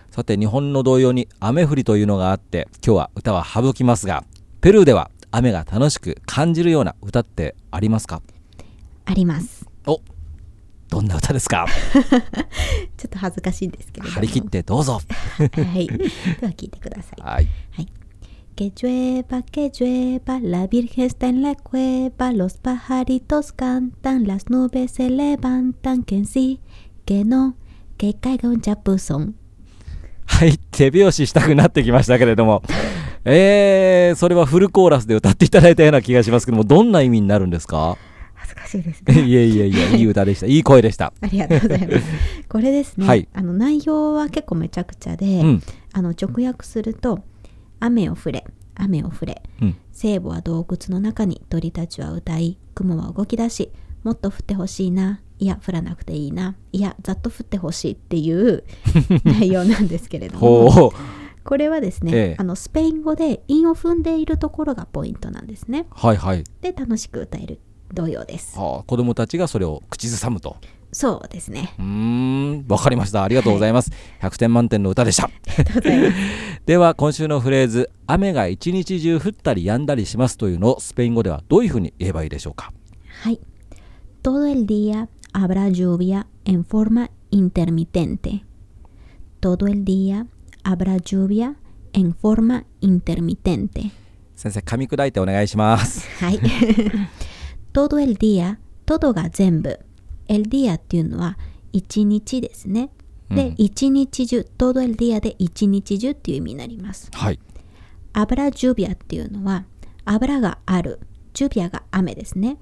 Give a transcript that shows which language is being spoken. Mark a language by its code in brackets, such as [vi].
[ja] さて、日本の同様に雨降りというのがあって、今日は歌は省きますが、ペルーでは雨が楽しく感じるような歌ってありますか？あります。お、どんな歌ですか？ちょっと恥ずかしいんですけれども、張り切ってどうぞ。はい、では聞いてください。はい、 [es] はい、Que llueva, que llueva, la virgen está en la cueva, los pajaritos cantan, las nubes se levantan, que sí, que no, que caiga un chapuzón. [ja] はい、手拍子したくなってきましたけれども、それはフルコーラスで歌っていただいたような気がしますけども、どんな意味になるんですか？恥ずかしいですね。いやいやいや、いい歌でした。いい声でした。ありがとうございます。これですね、はい、あの内容は結構めちゃくちゃで、うん、あの直訳すると、雨を降れ、雨を降れ、聖母は洞窟の中に、鳥たちは歌い、雲は動き出し、もっと降ってほしいな、いや、降らなくていいな、いや、ざっと降ってほしいっていう内容なんですけれども、これはですね、あのスペイン語で韻を踏んでいるところがポイントなんですね。はいはい。で、楽しく歌える。同様です。ああ、子供たちがそれを口ずさむと。そうですね。わかりました。ありがとうございます。 100点満点の歌でした。ありがとうございます。では今週のフレーズ、雨が一日中降ったり止んだりしますというのをスペイン語ではどういうふうに言えばいいでしょうか？ [es] はい、 Todo el día habrá lluvia en forma intermitente. Todo el día habrá lluvia en forma intermitente. [ja] 先生、噛み砕いてお願いします。はい。 [es] Todo el día、 [ja] todo が全部、 el día っていうのは一日ですね、うん、で一日中、 [es] todo el día [ja] で一日中っていう意味になります。はい。 [es] habrá lluvia [ja] っていうのは、 habrá がある、 lluvia が雨ですね、